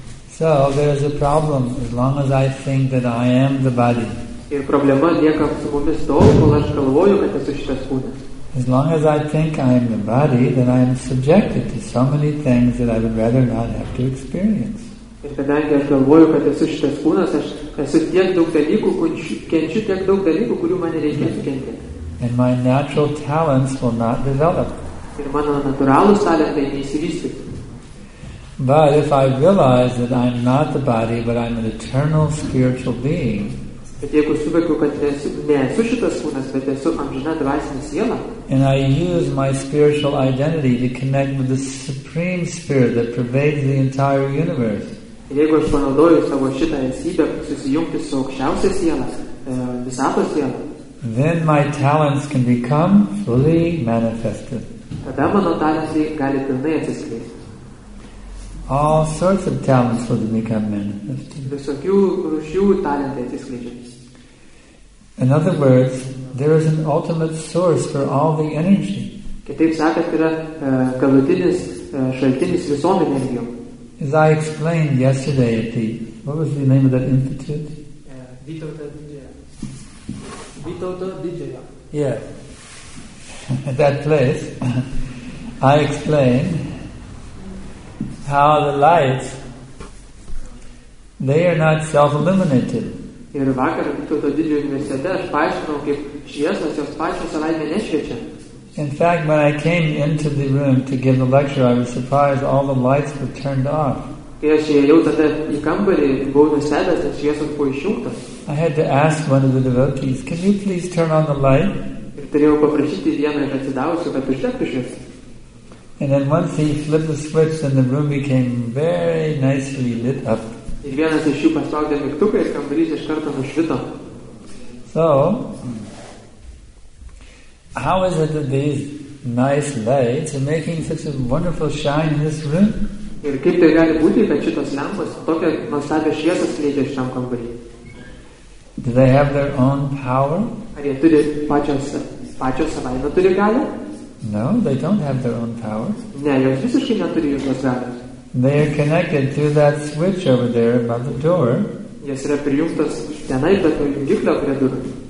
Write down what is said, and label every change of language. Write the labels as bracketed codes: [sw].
[en] So there is a problem as long as I think that I am the body. As long as I think I am the body, then I am subjected to so many things that I would rather not have to experience. [lt] Ir kadangi aš galvoju, kad esu šitas kūnas, aš esu tiek daug dalykų, kenčiu tiek daug dalykų, kurių man nereikėtų kentėti. [en] And my natural talents will not develop. [lt] Ir mano natūralūs talentai neįsivystys. [en] But if I realize that I am not the body, but I am an eternal spiritual being, [lt] bet jeigu suvokiu, kad nesu šitas kūnas, bet esu amžina dvasinė siela. [en] And I use my spiritual identity to connect with the supreme spirit that pervades the entire universe. [lt] Ir jeigu aš panaudoju savo šitą esybę susijungti su aukščiausia siela, visatos siela. [en] Then my talents can become fully manifested. [lt] Tada mano talentai gali pilnai atsiskleisti. [en] All sorts of talents will become manifested. [lt] Visokių rūšių talentai atsiskleidžia. [en] In other words, there is an ultimate source for all the energy. [lt] Kitaip sakant, yra galutinis šaltinis visom energijom. [en] As I explained yesterday at the, what was the name of that institute? [lt] Vytauto didžiojo. Vytauto didžiojo. [en] Yeah. At that place, I explained how the lights, they are not self-illuminated. [lt] Ir vakar Vytauto didžiojo universitete aš paaiškinau, kaip šviesos jos pačios savaime nešviečia. [en] In fact, when I came into the room to give the lecture, I was surprised all the lights were turned off. [lt] Kai aš įėjau tada į kambarį, buvau nustebęs, kad šviesos buvo išjungtos. [en] I had to ask one of the devotees, can you please turn on the light? [lt] Ir turėjau paprašyti vieną iš atsidavusių, kad uždegtų šviesą. [en] And then once he flipped the switch, then the room became very nicely lit up. [lt] Ir vienas iš jų paspaudė mygtuką, ir kambarys iš karto nušvito. [en] So, how is it that these nice lights are making such a wonderful shine in this room? [lt] Ir kaip tai gali būti, kad šitos lempos tokią nuostabią šviesą skleidžia šiam kambarį? [en] Do they have their own power? [lt] Ar jie turi pačios savaime turi galę? [en] No, they don't have their own power. [lt] Ne, jos visiškai neturi jokios galios. [en] They are connected through that switch over there above the door. [lt] Jos yra prijungtos tenai, bet nuo jungiklio prie durų.